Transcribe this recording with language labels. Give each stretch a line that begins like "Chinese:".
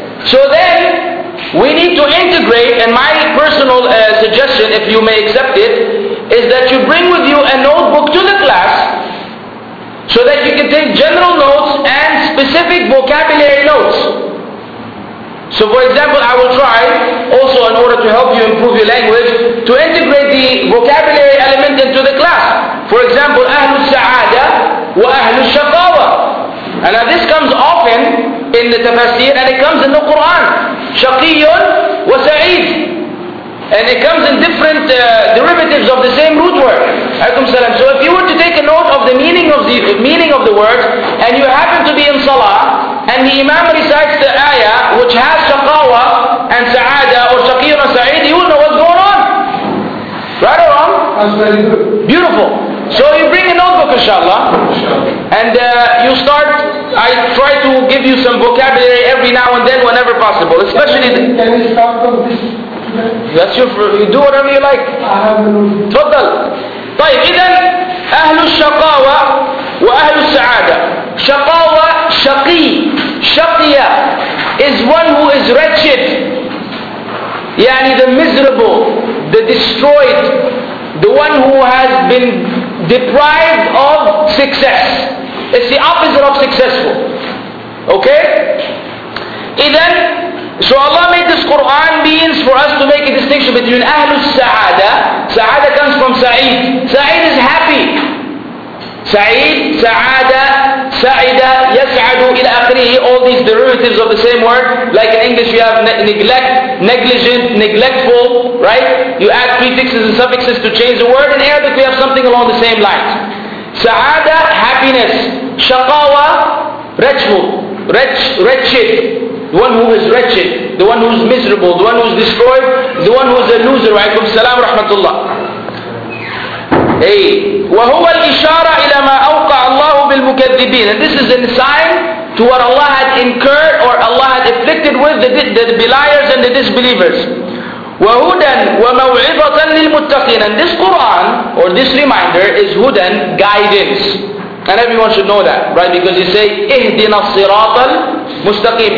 English: So then, we need to integrate, and my personal suggestion, if you may accept it, is that you bring with you a notebook to the class so that you can take general notes and specific vocabulary notes. So for example, I will try also, in order to help you improve your language, to integrate the vocabulary element into the class. For example,
Arabic: أهل السعادة وأهل الشقاوة.
English: And now this comes often in the tafsir, and it comes in the Quran. Shaqiyun wa sa'id. And it comes in different derivatives of the same root word. Alaykum salam. So if you were to take a note of the meaning of the word, and you happen to be in salah, and the imam recites the ayah which has shaqawa and sa'ada, or shaqiyun and sa'id, you will know what's going on. Right or wrong? That's very good. Beautiful. So you bring a notebook, inshallah, and you start. I try to give you some vocabulary every now and then, whenever possible. Especially. Can you start from this? That's your. You do whatever you like. I have a notebook.
Arabic: طيب إذن أهل الشقاوة وأهل السعادة. شقاوة شقي.
English: شقيا is one who is wretched. يعني the miserable, the destroyed, the one who has been deprived of success. It's the opposite of successful. Okay? Then, so Allah made this Quran means for us to make a distinction between Ahlu Sa'ada. Sa'ada comes from Sa'id. Sa'id is happy. Sa'id, Sa'ada, Sa'ida, Yas'adu, ila akhrihi, all these derivatives of the same word. Like in English, you have neglect, negligent, neglectful, right? You add prefixes and suffixes to change the word. In Arabic, we have something along the same lines. Sa'ada, happiness. Shaqawa, wretchful. Wretched. The one who is wretched. The one who is miserable. The one who is destroyed. The one who is a loser. Alaykum salam wa rahmatullah. Hey.
Arabic: وهو الإشارة إلى ما أوقع الله بالمكذبين.
English: And this is a sign to what Allah had incurred or Allah had afflicted with the beliers and the disbelievers.
Arabic: وَهُدًا وَمَوْعِظَةً لِلْمُتَّقِينَ.
English: And this Quran or this reminder is hudan, guidance. And everyone should know that, right? Because you say
Arabic: اِهْدِنَا الصِّرَاطَ الْمُسْتَقِيمِ.